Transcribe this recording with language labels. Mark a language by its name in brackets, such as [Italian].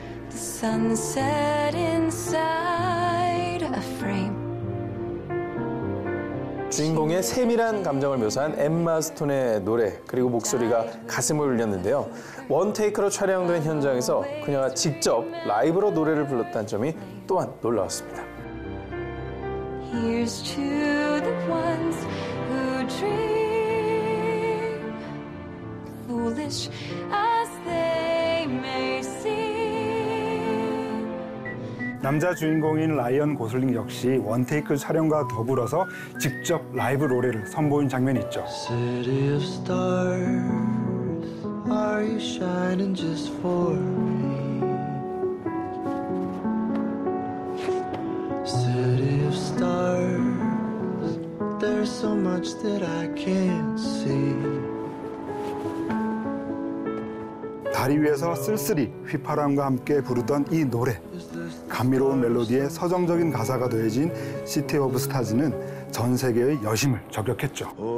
[English] The sunset inside a frame. [Korean] 주인공의 세밀한 감정을 묘사한 엠마 스톤의 노래 그리고 목소리가 가슴을 울렸는데요. 원테이크로 촬영된 현장에서 그녀가 직접 라이브로 노래를 불렀다는 점이 또한 놀라웠습니다. [English] Here's to the ones who dream foolish as they may seem. [Korean] 남자 주인공인 라이언 고슬링 역시 원테이크 촬영과 더불어서 직접 라이브 노래를 선보인 장면이 있죠. [English] City of stars, are you shining just for me? City of stars, there's so much that I can't see. [Korean] 다리 위에서 쓸쓸히 휘파람과 함께 부르던 이 노래. 감미로운 멜로디에 서정적인 가사가 더해진 시티 오브 스타즈는 전 세계의 여심을 저격했죠.